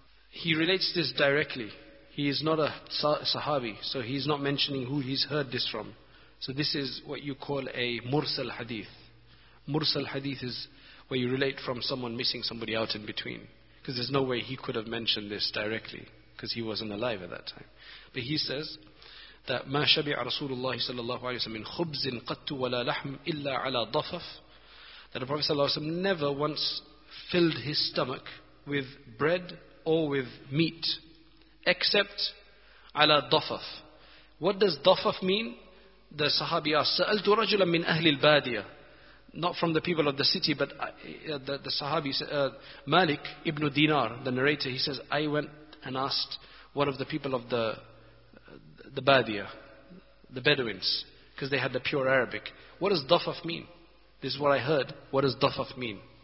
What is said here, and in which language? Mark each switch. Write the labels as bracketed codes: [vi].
[en] He relates this directly. He is not a sahabi, so he's not mentioning who he's heard this from. So this is what you call a mursal hadith. Mursal hadith is where you relate from someone missing somebody out in between. Because there's no way he could have mentioned this directly, because he wasn't alive at that time. But he says that [ar] ما شبع رسول الله صلى الله عليه وسلم من خبز قط ولا لحم إلا على ضفف. [en] That the Prophet صلى الله عليه وسلم never once filled his stomach with bread or with meat, except [ar] على ضفف. [en] What does ضفف mean? The Sahabi asked, [ar] سألت رجلا من أهل البادية. [en] Not from the people of the city, but the Sahabi, Malik ibn Dinar, the narrator, he says, I went and asked one of the people of the Badia, the Bedouins, because they had the pure Arabic. What does Dafaf mean? This is what I heard. What does Dafaf mean?